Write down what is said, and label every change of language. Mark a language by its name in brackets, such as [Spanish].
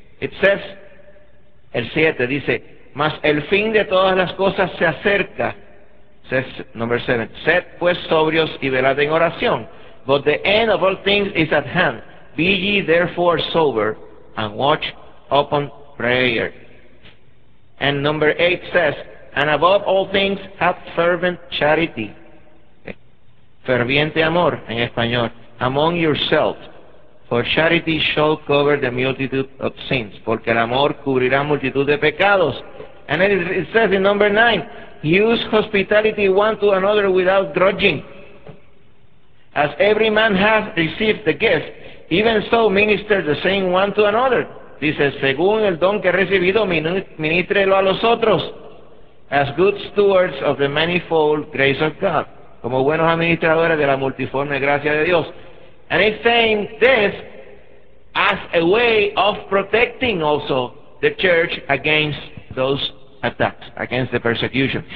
[English] It says, [Spanish] el 7 dice, mas el fin de todas las cosas se acerca. [English] Says number 7, [Spanish] sed pues sobrios y velad en oración. [English] But the end of all things is at hand. Be ye therefore sober and watch upon prayer. And number 8 says, and above all things have fervent charity. Okay. [Spanish] Ferviente amor, en español, [English] among yourselves. For charity shall cover the multitude of sins. [Spanish] Porque el amor cubrirá multitud de pecados. [English] And it says in number 9, use hospitality one to another without grudging. As every man hath received the gift, even so minister the same one to another. [Spanish] Dice, según el don que ha recibido, ministrelo a los otros. [English] As good stewards of the manifold grace of God. [Spanish] Como buenos administradores de la multiforme gracia de Dios. [English] And he's saying this as a way of protecting also the church against those attacks, against the persecution.